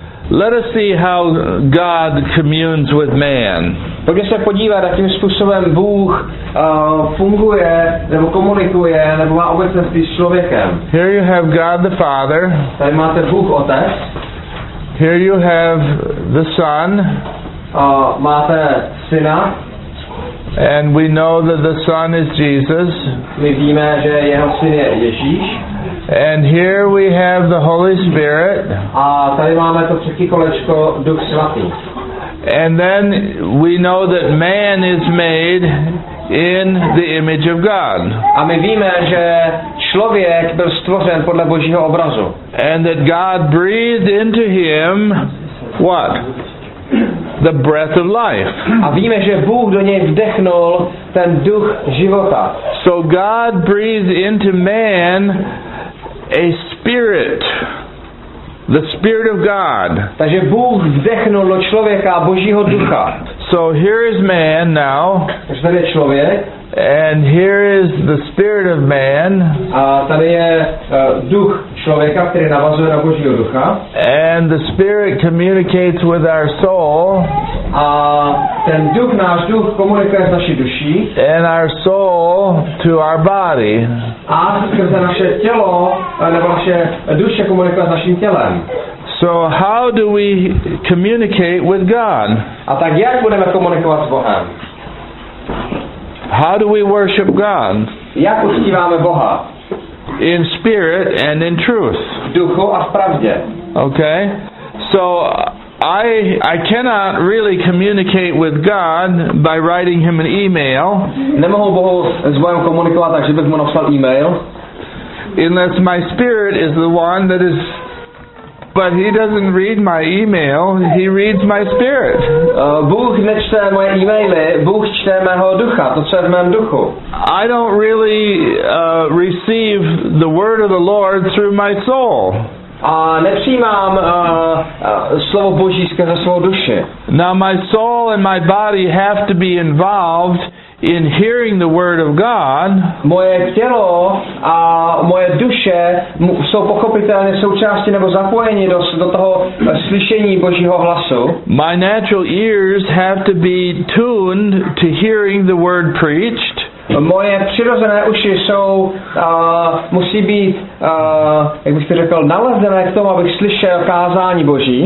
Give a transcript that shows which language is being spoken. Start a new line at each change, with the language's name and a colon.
English: Let us see how God communes with man.
Czech: Pojďme se podívat, jakým způsobem Bůh funguje, nebo komunikuje, nebo má obecně s člověkem.
English: Here you have God the Father.
Czech: Tady máte Bůh Otec.
English: Here you have the Son.
Czech: Máte Syna.
English: And we know that the Son is Jesus.
Czech: My víme, že jeho Syn je Ježíš.
English: And here we have the Holy Spirit.
Czech: A tady máme to třetí kolečko, Duch Svatý.
English: And then we know that man is made in the image of God.
Czech: A my víme, že člověk byl stvořen podle Božího obrazu.
English: And that God breathed into him what? The breath of life.
Czech: A víme, že Bůh do něj vdechnul ten duch života.
English: So God breathed into man a spirit. The spirit of God.
Czech: Takže Bůh vdechnul do člověka Božího ducha.
English: So here is man now.
Czech: Takže tady je člověk.
English: And here is the spirit of man.
Czech: A tady je duch člověka, který navazuje na Božího ducha.
English: And the spirit communicates with our soul.
Czech: A ten duch, náš duch komunikuje s naší duší.
English: And our soul to our body.
Czech: A skrze naše tělo, nebo naše duše komunikuje s naším tělem.
English: So how do we communicate with God?
Czech: A tak jak budeme komunikovat s Bohem?
English: How do we worship God?
Czech: Jak uctíváme Boha?
English: In spirit and in truth.
Czech: V duchu a v pravdě.
English: Okay. So I cannot really communicate with God by writing him an email.
Czech: Nemohu Bohu s Bohem komunikovat, takže bych mu napsal email.
English: Unless my spirit is the one that is. But he doesn't read my email, he reads my spirit.
Czech: Bůh nečte moje e-maily, Bůh čte mého ducha, to je v mém duchu.
English: I don't really receive the word of the Lord through my soul.
Czech: A nepřijímám slovo Boží skrze svou duši.
English: Now my soul and my body have to be involved in hearing the word of God.
Czech: Moje tělo a moje duše jsou pochopitelně součástí nebo zapojeni do toho slyšení Božího hlasu.
English: My natural ears have to be tuned to hearing the word preached.
Czech: Moje přirozené uši jsou musí být jak bych to řekl, nalezené k tomu, abych slyšel kázání Boží.